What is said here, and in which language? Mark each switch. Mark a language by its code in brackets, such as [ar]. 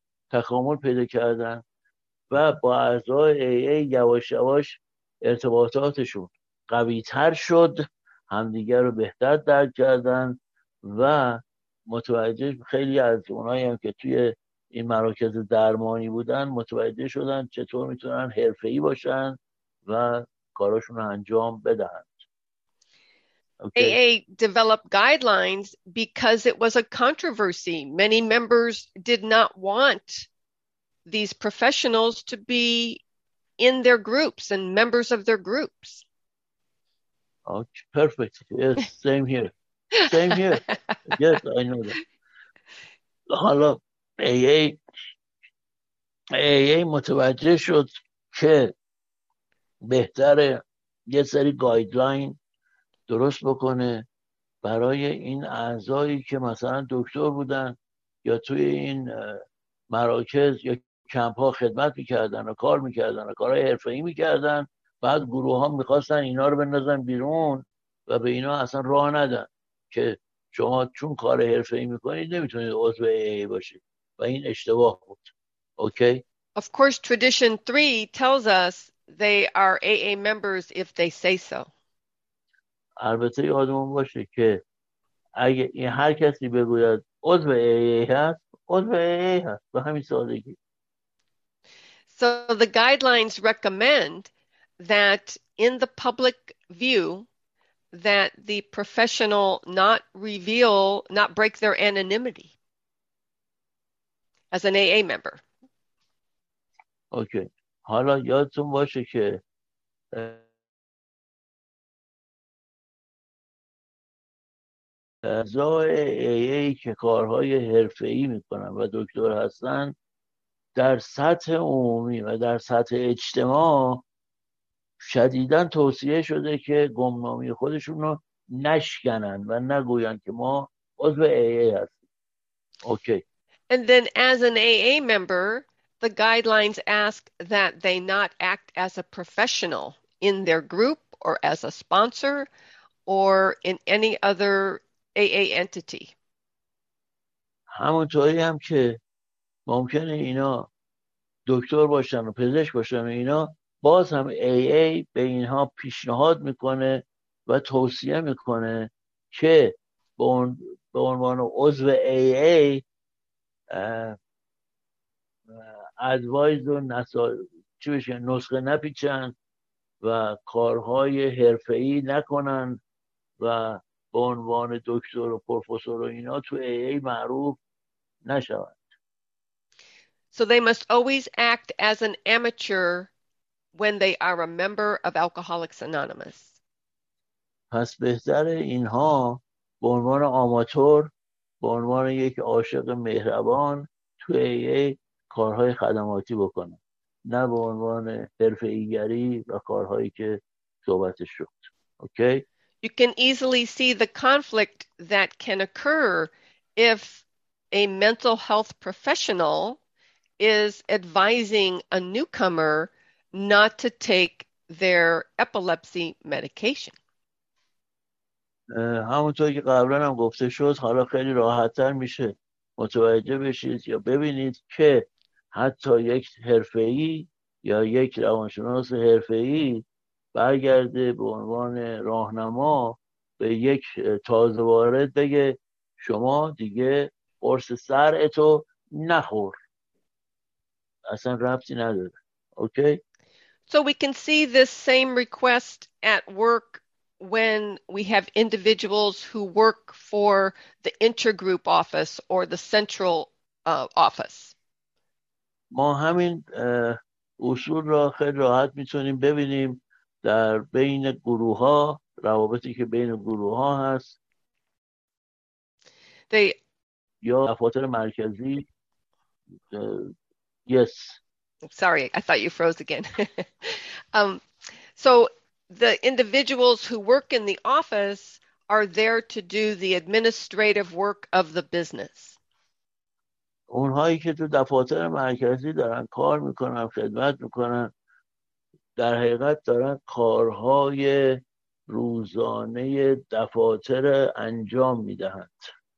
[fa] تکامل پیدا کردند و با اعضای AA یواش یواش ارتباطاتشون قوی‌تر شد، همدیگر رو بهتر درک کردن و متوجه، خیلی از اونایی هم که توی این مراکز درمانی بودن متوجه شدن چطور میتونن حرفه‌ای باشن و کاراشون رو انجام بدن. [en] Okay. AA developed guidelines because it was a controversy. Many members did not want these professionals to be in their groups and members of their groups. Okay, perfect. Yes, same here. Same here. Yes, I know that. [fa] حالا AA متوجه شد که بهتره یه سری گایدلاین درست بکنه برای این اعضایی که مثلا دکتر بودن یا توی این مراکز یا کمپ ها خدمت میکردن و کار میکردن و کارهای حرفه‌ای میکردن، بعد گروه ها میخواستن اینا رو بندازن بیرون و به اینا اصلا راه ندن که شما چون کار حرفه‌ای میکنید نمیتونید عضو AA باشید و این اشتباه بود. [en] Okay? Of course, tradition 3 tells us they are AA members if they say so. [fa] البته یادمون باشه که اگه این هر کسی بگوید عضو AA هست، عضو AA هست به همین سادگی. [en] So the guidelines recommend that in the public view that the professional not reveal, not break their anonymity as an AA member. Okay. [fa] حالا یادتون باشه که اعضای AA که کارهای حرفه‌ای میکنن و دکتر هستن در سطح عمومی و در سطح اجتماع شدیداً توصیه شده که گمنامی خودشون رو نشکنن و نگویند که ما عضو AA هستیم. [en] Okay. And then as an AA member, the guidelines ask that they not act as a professional in their group or as a sponsor or in any other AA entity. [fa] همونطوری هم که ممکنه اینا دکتر باشن و پزشک باشن و اینا، باز هم AA به اینها پیشنهاد میکنه و توصیه میکنه که به عنوان عضو AA ادوایز و نسخه نپیچن و کارهای حرفه‌ای نکنن و به عنوان دکتر و پروفسور و اینا تو AA معروف نشوند. So they must always act as an amateur when they are a member of Alcoholics Anonymous. پس بهتره اینها به عنوان آماتور، به عنوان یک عاشق مهربان تو AA کارهای خدماتی بکنن، نه به عنوان حرفه‌ای‌گری و کارهایی که صحبتش شد. [en] Okay? You can easily see the conflict that can occur if a mental health professional is advising a newcomer not to take their epilepsy medication. [fa] همونطور که قبلا هم گفته شد، حالا خیلی راحت‌تر میشه متوجه بشید یا ببینید که حتی یک حرفه‌ای یا یک روانشناس حرفه‌ای برگرده به عنوان راهنما به یک تازه وارد بگه شما دیگه قرص سرعتو نخور، اصلا ربطی نداره. [en] Okay? So we can see this same request at work when we have individuals who work for the intergroup office or the central office. [fa] ما همین اصول را خیلی راحت میتونیم ببینیم در بین گروه ها، روابطی که بین گروه ها هست یا دفاتر مرکزی. [en] Yes. Sorry, I thought you froze again. So the individuals who work in the office are there to do the administrative work of the business. [fa] اونهایی که تو دفاتر مرکزی دارن کار میکنن، خدمت میکنن، در حقیقت دارن کارهای روزانه دفاتر انجام میدهند.